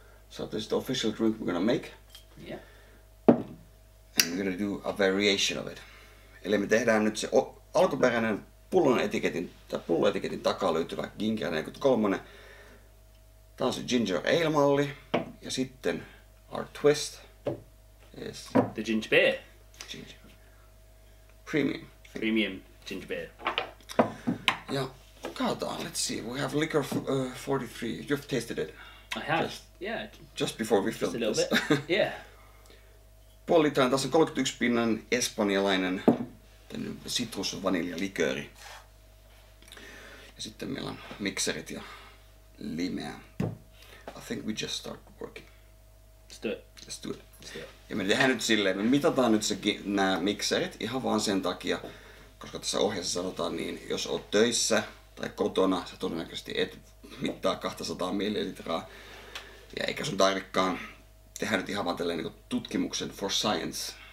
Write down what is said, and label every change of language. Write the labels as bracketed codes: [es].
[en] So this is the official drink we're gonna make. Yeah. And we're gonna do a variation of it. [fi] Eli me tehdään nyt se alkuperäinen pullon etiketin, tai pullon etiketin takaa löytyvä ginger 43. Tää on se ginger ale -malli. Ja sitten [en] our twist is... The ginger beer. Ginger. Premium. Premium ginger beer. [fi] Ja katsotaan, [en] let's see, we have liquor 43. You've tasted it. I have. Yeah. Just before we filmed this. Just a little bit. Yeah. [fi] Puoli litran, tässä on 31 pinnan espanjalainen sitrus vanilja likööri. Ja sitten meillä on mikserit ja limeä. [en] I think we just start working. Let's do it. [fi] Ja me tehdään nyt silleen, me mitataan nyt nämä mikserit ihan vaan sen takia, koska tässä ohjeessa sanotaan niin, jos oot töissä tai kotona, sä todennäköisesti et mittaa 200 millilitraa. Ja eikä sun tarvikaan tehdä nyt ihan vaan tälleen niin kuin tutkimuksen [en] for science.